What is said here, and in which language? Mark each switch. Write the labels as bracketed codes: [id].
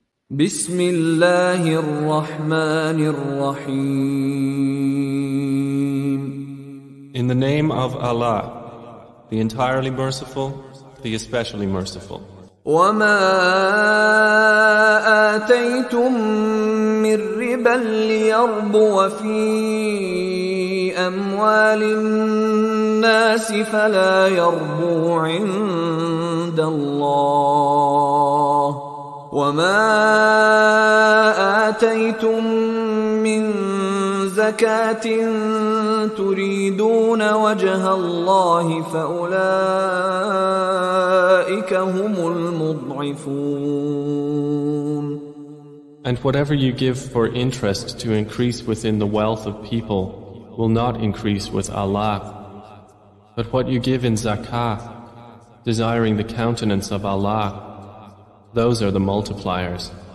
[ar] بسم الله الرحمن الرحيم. [en] In the name of Allah, the entirely merciful, the especially merciful. [ar] وما آتيتم من ربا ليربو في أموال الناس فلا يربو عند الله، وما آتيتم من زكاة تريدون وجه الله فأولئك هم المضعفون. [en] And whatever you give for interest to increase within the wealth of people will not increase with Allah. But what you give in zakah, desiring the countenance of Allah, those are the multipliers.